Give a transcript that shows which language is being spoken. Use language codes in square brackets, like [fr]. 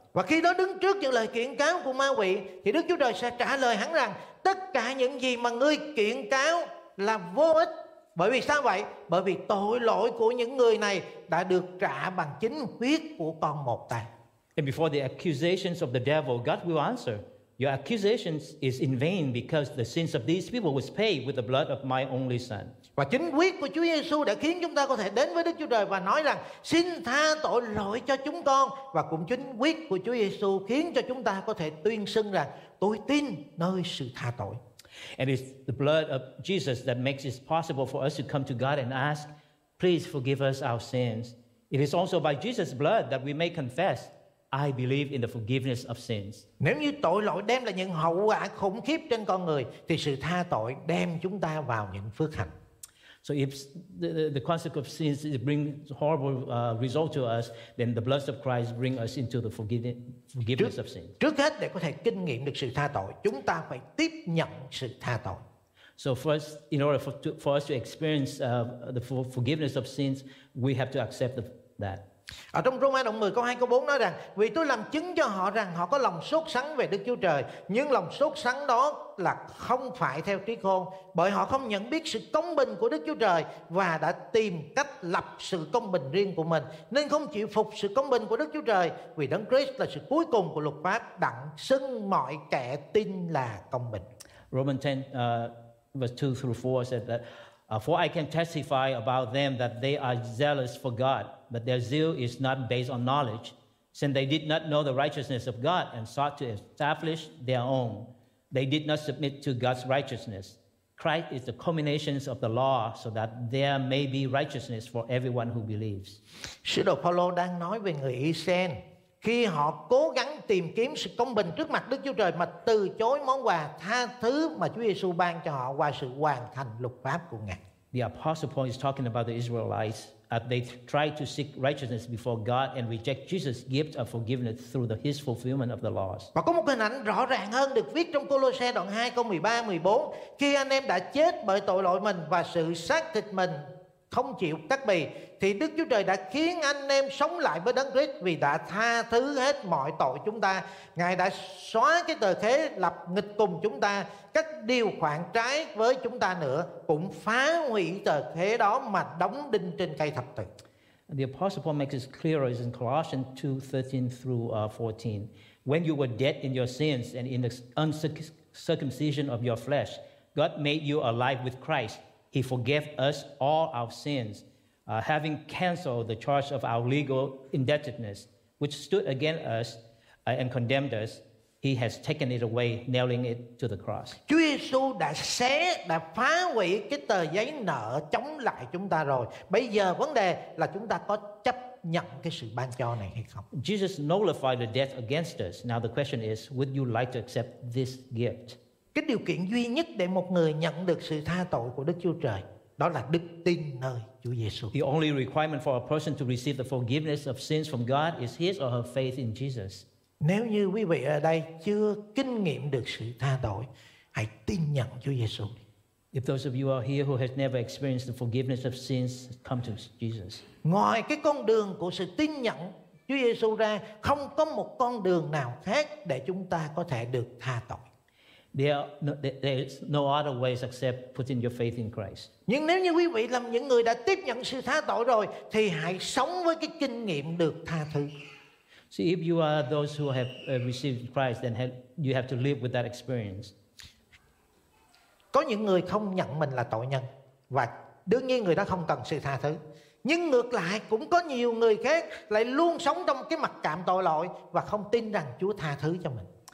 [vi] Và khi đó đứng trước những lời kiện cáo của ma quỷ, thì Đức Chúa Trời sẽ trả lời hắn rằng tất cả những gì mà ngươi kiện cáo là vô ích. Bởi vì sao vậy? Bởi vì tội lỗi của những người này đã được trả bằng chính huyết của con một ta. [en] And before the accusations of the devil, God will answer. Your accusations is in vain because the sins of these people was paid with the blood of my only son. [vi] Và chính huyết của Chúa Giê-xu đã khiến chúng ta có thể đến với Đức Chúa Trời và nói rằng xin tha tội lỗi cho chúng con, và cũng chính huyết của Chúa Giê-xu khiến cho chúng ta có thể tuyên xưng rằng tôi tin nơi sự tha tội. [en] And it's the blood of Jesus that makes it possible for us to come to God and ask, please forgive us our sins. It is also by Jesus' blood that we may confess, I believe in the forgiveness of sins. [vi] Nếu như tội lỗi đem lại những hậu quả khủng khiếp trên con người, thì sự tha tội đem chúng ta vào những phước hạnh. [en] So if the consequence of sins brings horrible result to us, then the blood of Christ brings us into the forgiveness of sins. [vi] Trước hết để có thể kinh nghiệm được sự tha tội, chúng ta phải tiếp nhận sự tha tội. [en] So first, in order for us to experience the forgiveness of sins, we have to accept that. [vi] Ở trong Roma đoạn 10 câu 2 câu 4 nói rằng, vì tôi làm chứng cho họ rằng họ có lòng sốt sắng về Đức Chúa Trời, nhưng lòng sốt sắng đó là không phải theo trí khôn, bởi họ không nhận biết sự công bình của Đức Chúa Trời và đã tìm cách lập sự công bình riêng của mình, nên không chịu phục sự công bình của Đức Chúa Trời, vì Đấng Christ là sự cuối cùng của luật pháp đặng xưng mọi kẻ tin là công bình. [en] Romans 10 verse 2 through 4 said that, for I can testify about them that they are zealous for God, but their zeal is not based on knowledge, since they did not know the righteousness of God and sought to establish their own. They did not submit to God's righteousness. Christ is the culmination of the law, so that there may be righteousness for everyone who believes. [vi] Sứ đồ Phaolô đang nói về người Y-sen. Khi họ cố gắng tìm kiếm sự công bình trước mặt Đức Chúa Trời mà từ chối món quà tha thứ mà Chúa Giêsu ban cho họ qua sự hoàn thành luật pháp của Ngài. [en] The apostle Paul is talking about the Israelites as they tried to seek righteousness before God and reject Jesus' gift of forgiveness through his fulfillment of the laws. [vi] Và có một hình ảnh rõ ràng hơn được viết trong Côlôse đoạn 2 câu 13 14, khi anh em đã chết bởi tội lỗi mình và sự xác thịt mình không chịu cắt bì, thì Đức Chúa Trời đã khiến anh em sống lại với Đấng Christ vì đã tha thứ hết mọi tội chúng ta. Ngài đã xóa cái tờ khế lập nghịch cùng chúng ta, các điều khoản trái với chúng ta nữa, cũng phá hủy tờ khế đó mà đóng đinh trên cây thập tự. [en] The Apostle Paul makes it clearer in Colossians 2:13 through 14. When you were dead in your sins and in the uncircumcision of your flesh, God made you alive with Christ. He forgave us all our sins, having canceled the charge of our legal indebtedness, which stood against us and condemned us. He has taken it away, nailing it to the cross. [vi] Chúa Giêsu đã phá hủy cái tờ giấy nợ chống lại chúng ta rồi. Bây giờ vấn đề là chúng ta có chấp nhận cái sự ban cho này hay không? [en] Jesus nullified the debt against us. Now the question is, would you like to accept this gift? [vi] Cái điều kiện duy nhất để một người nhận được sự tha tội của Đức Chúa Trời đó là đức tin nơi Chúa Giêsu. [en] The only requirement for a person to receive the forgiveness of sins from God is his or her faith in Jesus. [vi] Nếu như quý vị ở đây chưa kinh nghiệm được sự tha tội, hãy tin nhận Chúa Giêsu. [en] If those of you are here who has never experienced the forgiveness of sins, come to Jesus. [vi] Ngoài cái con đường của sự tin nhận Chúa Giêsu ra, không có một con đường nào khác để chúng ta có thể được tha tội. [en] There is no other ways except putting your faith in Christ. [vi] Nhưng nếu như quý vị là những người đã tiếp nhận sự tha tội rồi, thì hãy sống với cái kinh nghiệm được tha thứ. [en] See, if you are those who have received Christ, then you have to live with that experience. [vi] Có những người không nhận mình là tội nhân và đương nhiên người đó không cần sự tha thứ. Nhưng ngược lại cũng có nhiều người khác lại luôn sống trong cái mặc cảm tội lỗi và không tin rằng Chúa tha thứ cho mình.